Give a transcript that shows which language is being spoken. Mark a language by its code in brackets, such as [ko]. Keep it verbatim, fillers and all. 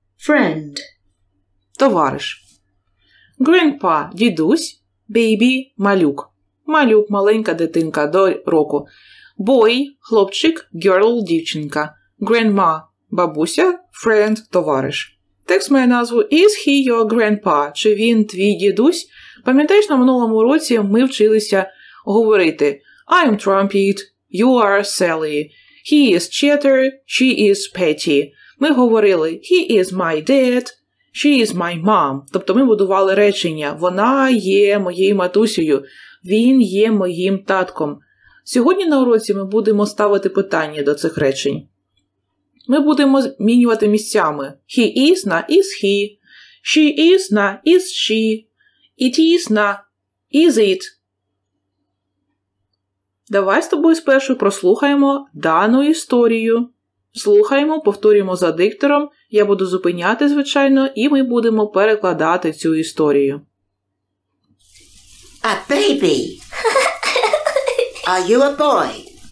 [en] friend, [uk] товариш. [en] Grandpa [uk] – дідусь, [en] baby [uk] – малюк. Малюк – маленька дитинка до року. [en] Boy [uk] – хлопчик, [en] girl [uk] – дівчинка. [en] Grandma [uk] – бабуся, [en] friend [uk] – товариш. Текст має назву [en] Is he your grandpa? [uk] Чи він твій дідусь? Пам'ятаєш, на минулому році ми вчилися говорити [en] I'm Trumpet, you are Sally, he is Cheddar, she is Patty. [uk] Ми говорили [en] he is my dad, she is my mom. [uk] Тобто ми будували речення вона є моєю матусею, він є моїм татком. Сьогодні на уроці ми будемо ставити питання до цих речень. Ми будемо змінювати місцями [en] he is [uk] на [en] is he, she is [uk] на [en] is she, it is [uk] на [en] is it. [uk] Давай з тобою спершу прослухаємо дану історію. Слухаємо, повторюємо за диктором. Я буду зупиняти, звичайно, і ми будемо перекладати цю історію. [en] A baby. Are you a boy?